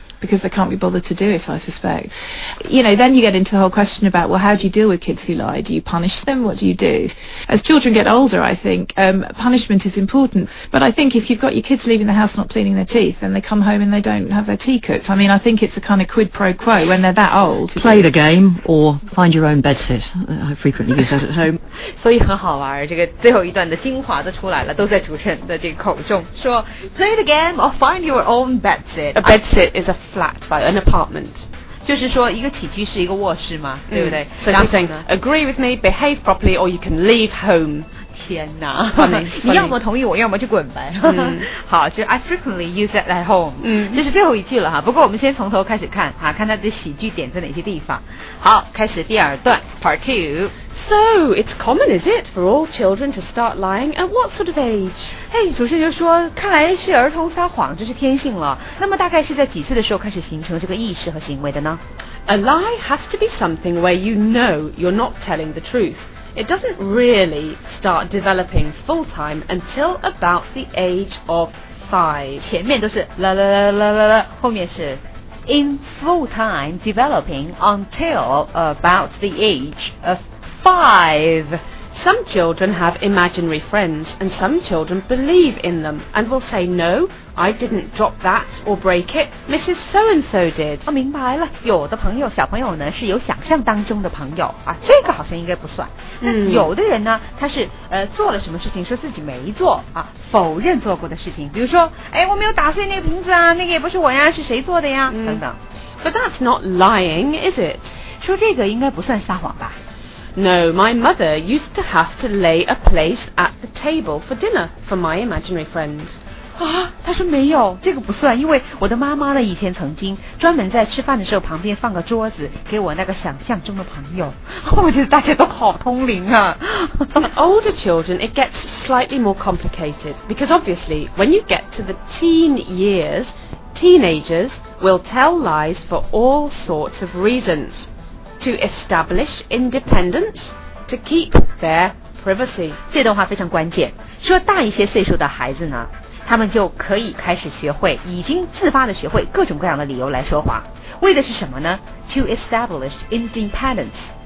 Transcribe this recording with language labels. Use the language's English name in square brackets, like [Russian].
[English] Because they can't be bothered to do it, I suspect. You know, then you get into the whole question about, well, how do you deal with kids who lie? Do you punish them? What do you do? As children get older, I think, punishment is important. But I think if you've got your kids leaving the house not cleaning their teeth, then they come home and they don't have their tea cooked. I mean, I think it's a kind of quid pro quo when they're that old. Play the game or find your own bedsit. I frequently use that at home. [Chinese] 所以很好玩，这个最后一段的精华都出来了，都在主持人的这个口中，说 [English] play the game or find your own bedsit. A bedsit is aflat by an apartment. [Chinese] 就是说一个起居是一个卧室吗、 mm. 对不对 [English] So she's saying, agree with me, behave properly, or you can leave home. [Chinese] 天哪 [English] funny, [Chinese] 你要么同意我要么就滚呗、 mm. 好就 [English] I frequently use that at home、 mm. [Chinese] 这是最后一句了哈不过我们先从头开始看哈看他的喜剧点在哪些地方好开始第二段 Part 2 [English] So, it's common, is it, for all children to start lying at what sort of age? [Chinese] 主持人就说看来是儿童撒谎就是天性了那么大概是在几岁的时候开始形成这个意识和行为的呢 [English] A lie has to be something where you know you're not telling the truth. It doesn't really start developing full time until about the age of 5. [Chinese] 前面都是啦啦啦啦啦啦后面是 [English] in full time developing until about the age of 5. Some children have imaginary friends, and some children believe in them, and will say, no, I didn't drop that or break it, Mrs. So-and-so did. [Chinese] 哦，明白了，有的朋友，小朋友呢，是有想象当中的朋友，啊，这个好像应该不算。那有的人呢，他是做了什么事情，说自己没做，啊，否认做过的事情，比如说，哎，我没有打碎那个瓶子啊，那个也不是我呀，是谁做的呀，等等。 [English] But that's not lying, is it? [Chinese] 说这个应该不算撒谎吧。 [English] No, my mother used to have to lay a place at the table for dinner for my imaginary friend. [Chinese] 啊，她说没有，这个不算，因为我的妈妈呢，以前曾经专门在吃饭的时候旁边放个桌子给我那个想象中的朋友。我觉得大家都好通灵啊。 [English] In older children, it gets slightly more complicated because obviously, when you get to the teen years, teenagers will tell lies for all sorts of reasons. To establish independence, to keep their privacy. [Chinese] 这段话非常关键。说大一些岁数的孩子呢，他们就可以开始学会，已经自发的学会各种各样的理由来说谎，为的是什么呢 ？ [English] To establish independence,